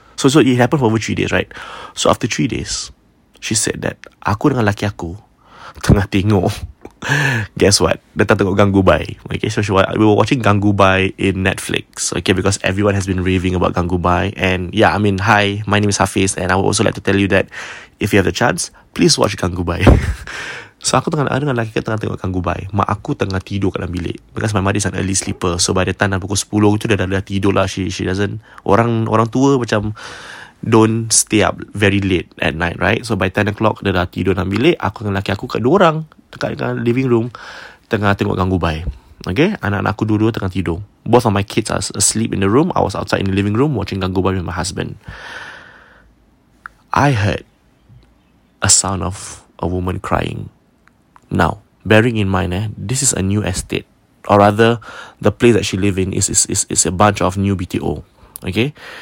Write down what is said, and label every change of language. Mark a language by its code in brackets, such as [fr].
[en] So it happened for over 3 days, right? So after 3 days, she said that [ms] aku dengan laki aku tengah tengok. [en] Guess what? [ms] Datang tengok Gangubai. [en] Okay, so we were watching Gangubai in Netflix. Okay, because everyone has been raving about Gangubai. And yeah, I mean, hi, my name is Hafiz. And I would also like to tell you that if you have the chance, please watch Gangubai. [ms] So aku dengan laki aku tengah tengok Gangubai. Mak aku tengah tidur kat dalam bilik. [en] Because my mother is an early sleeper. So by the time [ms] pukul 10 tu, dah tidur lah. [en] She doesn't, [ms] orang tua macam [en] don't stay up very late at night, right? So by 10 o'clock, [ms] dia dah tidur dalam bilik. Aku dengan laki aku kat dorang, dekat living room, tengah tengok Gangubai. Okay, anak-anak aku dua-dua tengah tidur. [en] Both of my kids are asleep in the room. I was outside in the living room watching Gangubai with my husband. I heard a sound of a woman crying. Now, bearing in mind, this is a new estate. Or rather, the place that she live in is a bunch of new BTO. Okay?